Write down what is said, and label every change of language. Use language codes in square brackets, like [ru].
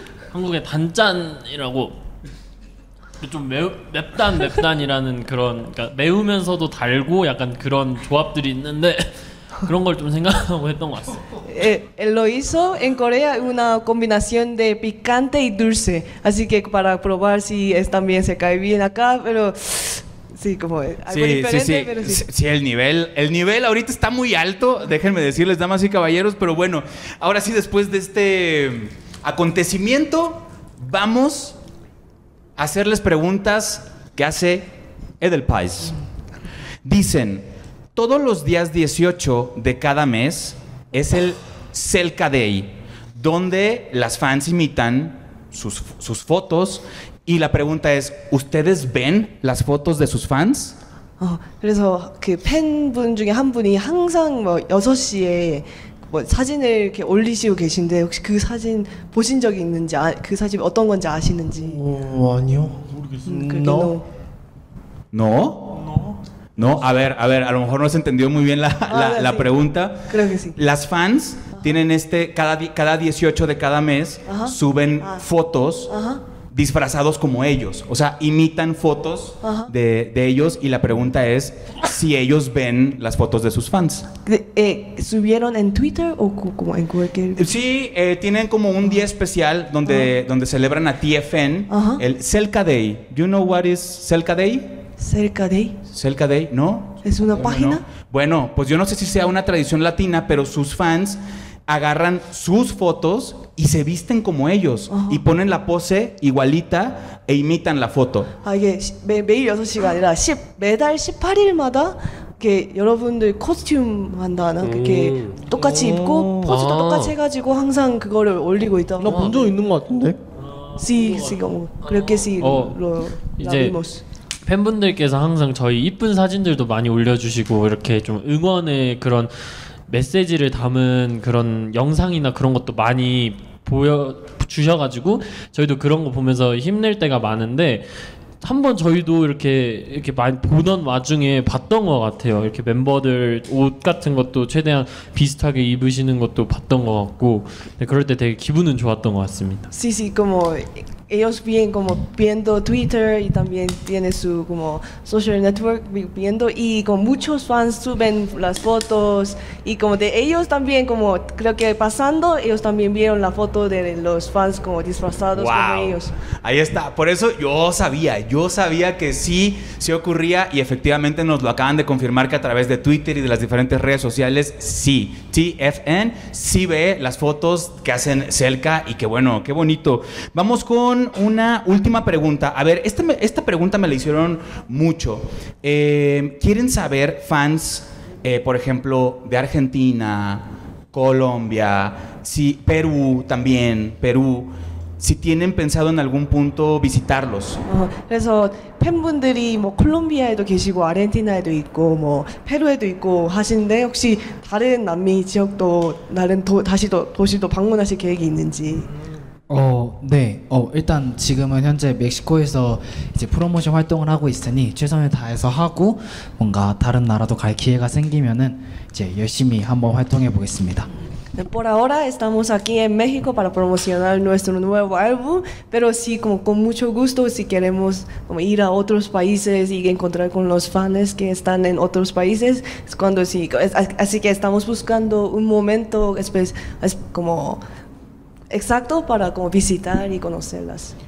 [ko] 한국에 단짠이라고 좀 맵단이라는 그런, 그러니까 매우면서도 달고 약간 그런 조합들이 있는데 그런 걸 좀 생각하고 했던 것 같아요. [es] Él lo hizo en Corea una combinación de picante y dulce. Así que para probar si es también se cae bien acá, pero sí, como algo sí, diferente, sí, sí. Pero sí. Sí, el nivel ahorita está muy alto, déjenme decirles, damas y caballeros, pero bueno, ahora sí, después de este acontecimiento, vamos a hacerles preguntas que hace Edelweiss. Dicen, todos los días 18 de cada mes es el Selka Day, donde las fans imitan sus fotos. Y la pregunta es, ¿ustedes ven las fotos de sus fans? [ko] 어, 그래서 그 팬분 중에 한 분이 항상 뭐 6시에 뭐 사진을 이렇게 올리시고 계신데 혹시 그 사진 보신 적이 있는지 아, 그 사진 어떤 건지 아시는지? 어, 아니요. 모르겠어요. No. [es] A ver, a lo mejor no se entendió muy bien la pregunta. Creo que sí. Las fans tienen este cada 18 de cada mes suben fotos. Disfrazados como ellos, o sea, imitan fotos de ellos y la pregunta es si ellos ven las fotos de sus fans. ¿Subieron en Twitter o como en cualquier? Sí, tienen como un día especial donde donde celebran a TFN, el Selka Day. [en] You know what is Selka Day? Selka Day, [es] ¿no? Es una página. No. Bueno, pues yo no sé si sea una tradición latina, pero sus fans agarran sus fotos y se visten como ellos y ponen la pose igualita e imitan la foto. [ko] 아, 이게 매일 6시가 아니라 매달 18일마다 이렇게 여러분들 코스튬 한다는 그렇게 똑같이 입고 포즈도 똑같이 해가지고 항상 그거를 올리고 있다. 나 본 적 있는 것 같은데. [es] Sí, como creo que sí lo vimos. [ko] 팬분들께서 항상 저희 이쁜 사진들도 많이 올려주시고 이렇게 좀 응원의 그런 메시지를 담은 그런 영상이나 그런 것도 많이 보여주셔가지고 저희도 그런 거 보면서 힘낼 때가 많은데 한번 저희도 이렇게 많이 보던 와중에 봤던 것 같아요. 이렇게 멤버들 옷 같은 것도 최대한 비슷하게 입으시는 것도 봤던 것 같고 그럴 때 되게 기분은 좋았던 것 같습니다. [es] Sí, sí, como ellos vienen como viendo Twitter y también tiene su como [en] social network [es] viendo y como muchos fans suben las fotos y como de ellos también como creo que pasando ellos también vieron la foto de los fans como disfrazados wow. Como ellos. Ahí está, por eso yo sabía que sí ocurría y efectivamente nos lo acaban de confirmar que a través de Twitter y de las diferentes redes sociales sí, TFN sí ve las fotos que hacen Selka y que bueno, qué bonito. Vamos con una última pregunta. A ver, esta pregunta me la hicieron mucho. ¿Quieren saber fans, por ejemplo, de Argentina, Colombia, si Perú también, Perú, si tienen pensado en algún punto visitarlos? [ko] 그래서 팬분들이 뭐 콜롬비아에도 계시고 아르헨티나에도 있고 뭐 페루에도 있고 하시는데 혹시 다른 남미 지역도 다른 도시도 방문하실 계획이 있는지? 어, 네. 어, 일단 지금은 현재 멕시코에서 이제 프로모션 활동을 하고 있으니 최선을 다해서 하고 뭔가 다른 나라도 갈 기회가 생기면은 이제 열심히 한번 활동해 보겠습니다. [es] Por ahora estamos aquí en México para promocionar nuestro nuevo álbum, pero sí, como con mucho gusto, si queremos como ir a otros países y encontrar con los fans que están en otros países, es cuando sí. Así que estamos buscando un momento como exacto para como visitar y conocerlas.